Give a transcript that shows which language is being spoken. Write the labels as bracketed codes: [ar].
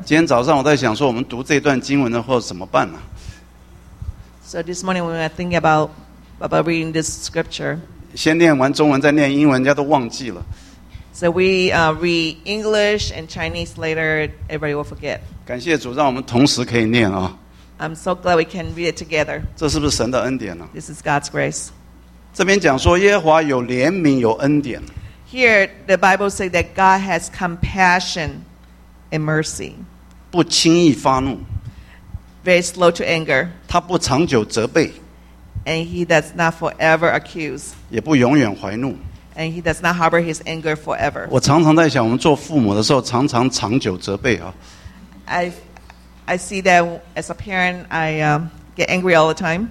[zh] 今天早上我在想说，我们读这段经文的后怎么办呢？ [en] So this morning, when I think about reading this scripture, [zh] 先念完中文，再念英文，人家都忘记了。 [en] So we read English and Chinese later, everybody will forget. [zh] 感谢主，让我们同时可以念啊。 [en] I'm so glad we can read it together. [zh] 这是不是神的恩典呢？ [en] This is God's grace. [zh] 这边讲说耶和华有怜悯，有恩典。 [en] Here, the Bible says that God has compassion and mercy. [zh] 不轻易发怒。 [en] Very slow to anger. [zh] 他不长久责备。 [en] And he does not forever accuse. [zh] 也不永远怀怒。 [en] And he does not harbor his anger forever. [zh] 我常常在想，我们做父母的时候，常常长久责备啊。 [en] I see that as a parent, I get angry all the time.